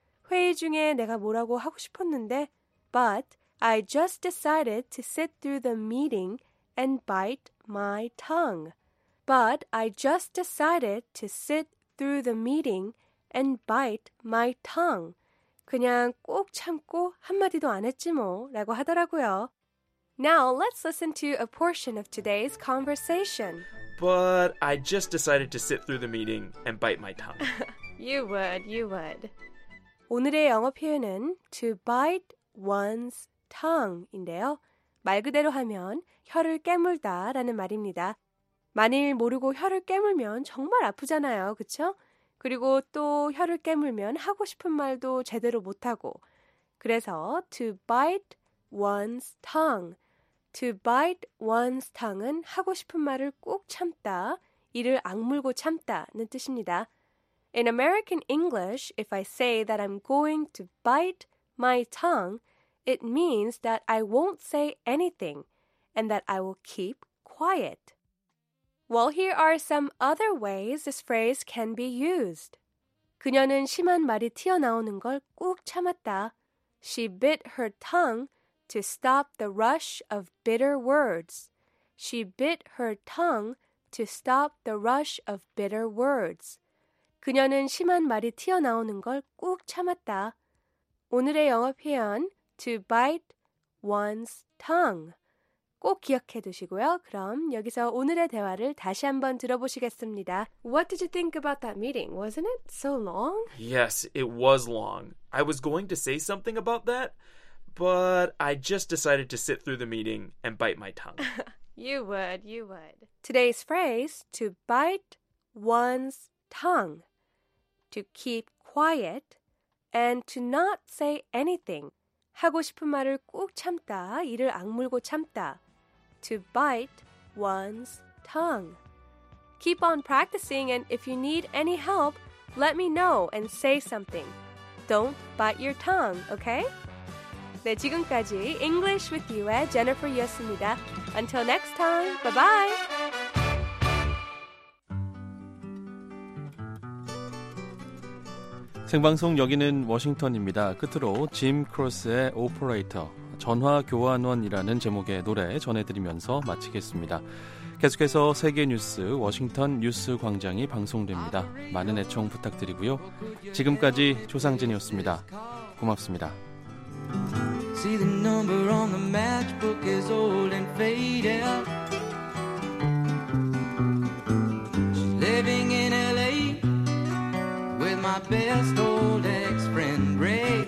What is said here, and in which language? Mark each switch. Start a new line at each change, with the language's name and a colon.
Korean: 회의 중에 내가 뭐라고 하고 싶었는데,
English: but I just decided to sit through the meeting and bite my tongue. But I just decided to sit through the meeting and bite my tongue.
Korean: 그냥 꼭 참고 한마디도 안 했지 뭐 라고 하더라고요.
English: Now let's listen to a portion of today's conversation. But I just decided to sit through the meeting and bite my tongue. You would.
Korean: 오늘의 영어 표현은 to bite one's tongue인데요. 말 그대로 하면 혀를 깨물다 라는 말입니다. 만일 모르고 혀를 깨물면 정말 아프잖아요. 그쵸? 그리고 또 혀를 깨물면 하고 싶은 말도 제대로 못하고 그래서 to bite one's tongue. To bite one's tongue은 하고 싶은 말을 꼭 참다, 이를 악물고 참다는 뜻입니다.
English: In American English, if I say that I'm going to bite my tongue, it means that I won't say anything and that I will keep quiet. Well, here are some other ways this phrase can be used.
Korean: 그녀는 심한 말이 튀어나오는 걸 꾹 참았다.
English: She bit her tongue to stop the rush of bitter words. She bit her tongue to stop the rush of bitter words.
Korean: 그녀는 심한 말이 튀어나오는 걸 꾹 참았다. 오늘의 영어 표현, to bite one's tongue. 꼭 기억해 두시고요. 그럼 여기서 오늘의 대화를 다시 한번 들어보시겠습니다.
English: What did you think about that meeting? Wasn't it so long? Yes, it was long. I was going to say something about that, but I just decided to sit through the meeting and bite my tongue. You would. Today's phrase, to bite one's tongue, to keep quiet, and to not say anything.
Korean: 하고 싶은 말을 꼭 참다, 이를 악물고 참다.
English: To bite one's tongue. Keep on practicing, and if you need any help, let me know and say something. Don't bite your tongue, okay?
Korean: 네, 지금까지 English with you의 Jennifer였습니다.
English: Until next time, bye-bye!
Korean: (생방송) 여기는 워싱턴입니다. 끝으로 짐 크로스의 오퍼레이터, 전화 교환원이라는 제목의 노래 전해드리면서 마치겠습니다. 계속해서 세계 뉴스 워싱턴 뉴스 광장이 방송됩니다. 많은 애청 부탁드리고요. 지금까지 조상진이었습니다. 고맙습니다.
English: See the number on the matchbook is old and faded. Living in LA with my best old ex-friend Ray.